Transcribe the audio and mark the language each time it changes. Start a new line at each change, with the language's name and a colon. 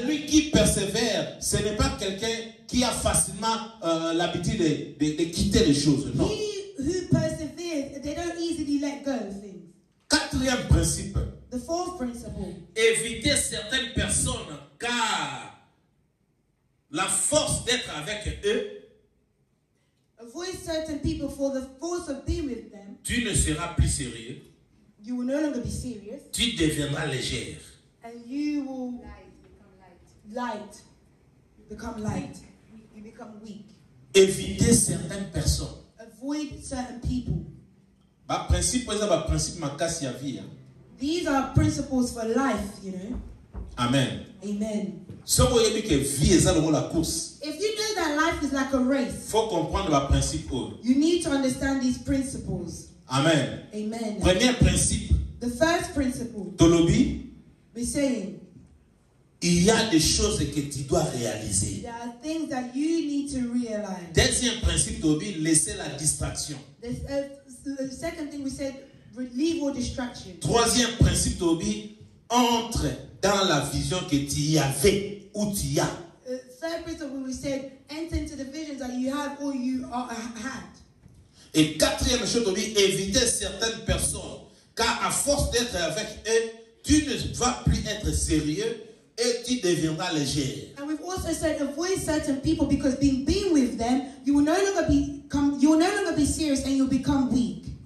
French: Celui qui persévère, ce n'est pas quelqu'un qui a facilement l'habitude de quitter les choses. Non.
English: He who perseveres, they don't easily let go of things.
French: Quatrième principe.
English: The fourth principle.
French: Éviter certaines personnes car la force d'être avec eux.
English: Avoid certain people for the force of being with them.
French: Tu ne seras plus sérieux.
English: You will no longer be serious.
French: Tu deviendras légère.
English: And you will light. You become light. You become weak.
French: Éviter certaines personnes.
English: Avoid certain people.
French: Ma principe, c'est ma principe, ma casse à vie.
English: These are principles for life, you know. Amen. Amen. If you know that life is like a race,
French: faut comprendre la principe.
English: You need to understand these principles. Amen. Amen.
French: Premier principe.
English: The first principle.
Lingala: Tolobi.
English: We say.
French: Il y a des choses que tu dois réaliser.
English: There are things that you need to realize.
French: Deuxième principe, Tolobi, laisser la distraction.
English: The second thing we said, leave all distraction.
French: Troisième principe, Tolobi, entre dans la vision que tu y avais ou tu y as.
English: Third principle we said, enter into the visions that you have or you are had.
French: Et quatrième chose, éviter certaines personnes, car à force d'être avec eux, tu ne vas plus être sérieux et tu deviendras léger.
English: And we've also said, avoid certain people because being with them, you will no longer be serious and you'll become weak.